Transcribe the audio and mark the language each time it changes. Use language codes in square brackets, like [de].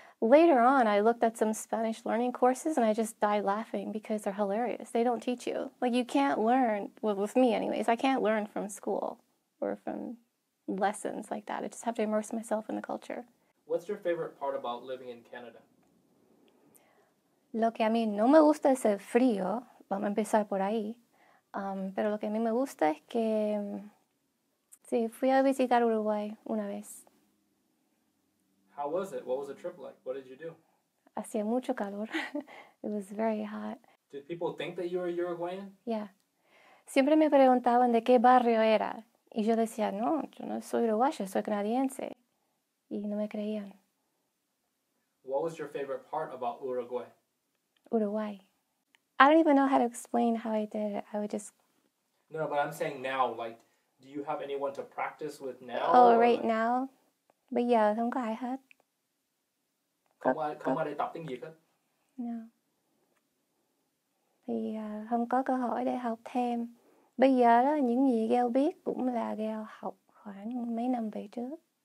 [en] Later on, I looked at some Spanish learning courses and I just died laughing because they're hilarious. They don't teach you. Like, you can't learn, well, with me anyways, I can't learn from school or from lessons like that. I just have to immerse myself in the culture. What's your favorite part about living in Canada? [es] Lo que a mí no me gusta es el frío. Vamos a empezar por ahí. Pero lo que a mí me gusta es que... Sí, fui a visitar Uruguay una vez. [en] How was it? What was the trip like? What did you do? [es] Hacía mucho calor. [en] It was very hot. Did people think that you were Uruguayan? Yeah. [es] Siempre me preguntaban de qué barrio era. Y yo decía, no, yo no soy uruguayo, soy canadiense. Y no me creían. [en] What was your favorite part about Uruguay? Uruguay. I don't even know how to explain how I did it. I would just... No, but I'm saying now, like, do you have anyone to practice with now? Oh, right, like... now? [vi] Bây giờ không có ai hết. Không ai để tập tiếng Việt hết. [en] No. [vi] Thì không có cơ hội để học thêm. Bây giờ đó, những gì Gale biết cũng là Gale học khoảng mấy năm về trước.